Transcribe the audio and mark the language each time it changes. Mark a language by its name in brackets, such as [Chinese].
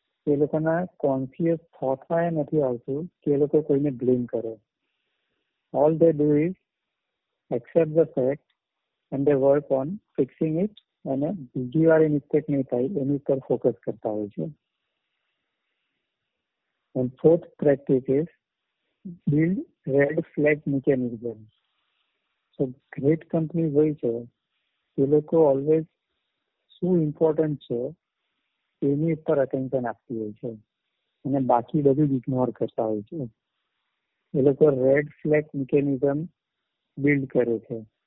[Gujarati] એ લોકોના કોન્શિયસ થોટમાં એ નથી આવતું કે એ લોકો કોઈને બ્લેમ કરે. [English] all they do is accept the fact and they work on fixing it, [Gujarati] અને બીજી વાર એ મિસ્ટેક નહીં થાય એની ઉપર ફોકસ કરતા હોય છે. [English] And fourth practice is build red flag mechanism. So great companies [Gujarati] હોય છે એ લોકો ઓલવેઝ શું ઇમ્પોર્ટન્ટ છે એની ઉપર અટેન્શન આપતી હોય છે અને બાકી બધું ઇગ્નોર કરતા હોય છે. એ લોકો રેડ ફ્લેગ મિકેનિઝમ બિલ્ડ કરે છે.